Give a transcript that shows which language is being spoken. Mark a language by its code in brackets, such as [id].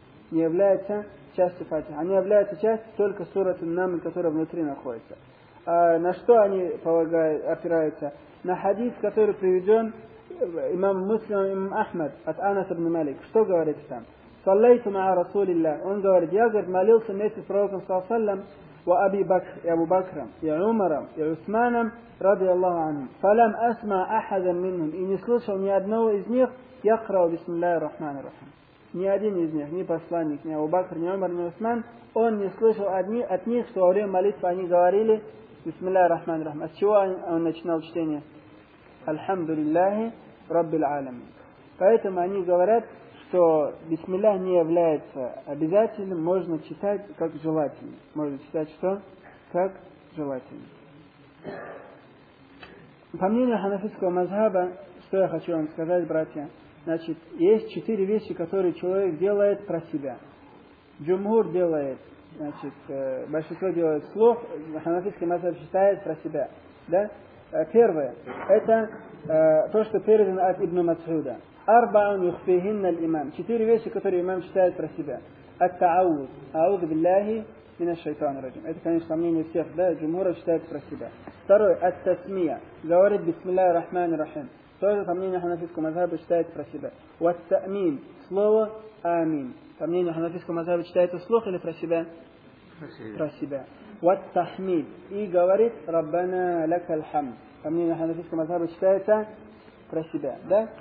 [ru] Не является частью Фатиха. Они являются частью только сурат ан-наml, которая внутри находится. А на что они полагают, опираются? На хадис, который приведен имам Муслим, имам Ахмад от Анаса ибн Малик. Что говорит там? [ar] «Саллайту маа Расулиллах». [ru] Он говорит, я, говорит, молился вместе с пророком саллаллам [ar] و أبي بكر يا أبو بكر يا عمر يا عثمان رضي الله عنهم فلم أسمع أحدا منهم إن [ru] слышал ни одного из них [ar] يقرأ بسم الله الرحمن الرحيم. [ru] Ни один из них, ни посланник, ни Абу Бакр, ни Умар, ни Усман, он не слышал от них, что во время молитвы они говорили [ar] بسم الله الرحمن الرحيم. [ru] А с чего он начинал чтение? [ar] الحمد لله رب العالمين. [ru] Поэтому они говорят, что бисмиллях не является обязательным, можно читать как желательно. Можно читать что? Как желательно. По мнению ханафийского мазхаба, что я хочу вам сказать, братья, значит, есть четыре вещи, которые человек делает про себя. Джумхур делает, значит, большинство делает слух, ханафийский мазхаб считает про себя. Да? Первое, это то, что передано от Ибн Мацхуда. [ar] أربعون يخفيهن الإمام. كثير [ru] вещи, которые имам читает про себя. [ar] التعوذ. أعوذ بالله من الشيطان الرجيم. [ru] Это, конечно, мнение всех, да, джумура читает про себя. Второй. التسمية. Говорит [ar] بسم الله الرحمن الرحيم. [ru] Тоже, по мнению ханафийского мазхаба, читает про себя. [ar] والتأمين. [ru] Слово [ar] آمين. [ru] По мнению ханафийского мазхаба, читает вслух или про себя? Про себя. [ar] والتحميد. [ru] И говорит [ar] ربنا لك الحمد. [ru] По мнению ханафийского мазхаба, читает про себя, да?